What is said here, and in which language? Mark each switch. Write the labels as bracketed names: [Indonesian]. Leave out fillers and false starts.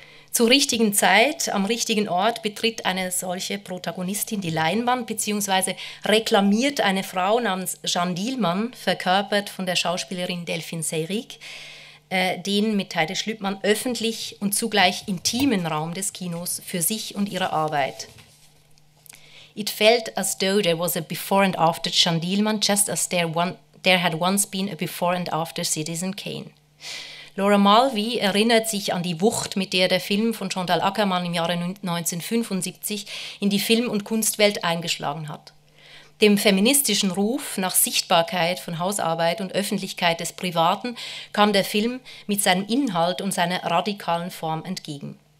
[German] Zur richtigen Zeit, am richtigen Ort, betritt eine solche Protagonistin die Leinwand bzw. reklamiert eine Frau namens Jeanne Dielmann, verkörpert von der Schauspielerin Delphine Seyrig, den mit Heide Schlüppmann öffentlich und zugleich intimen Raum des Kinos für sich und ihre Arbeit. [English] It felt as though there was a before and after Jeanne Dielmann, just as there had once been a before and after Citizen Kane. [German] Laura Mulvey erinnert sich an die Wucht, mit der der Film von Chantal Ackermann im Jahre 1975 in die Film- und Kunstwelt eingeschlagen hat. Dem feministischen Ruf nach Sichtbarkeit von Hausarbeit und Öffentlichkeit des Privaten kam der Film mit seinem Inhalt und seiner radikalen Form entgegen.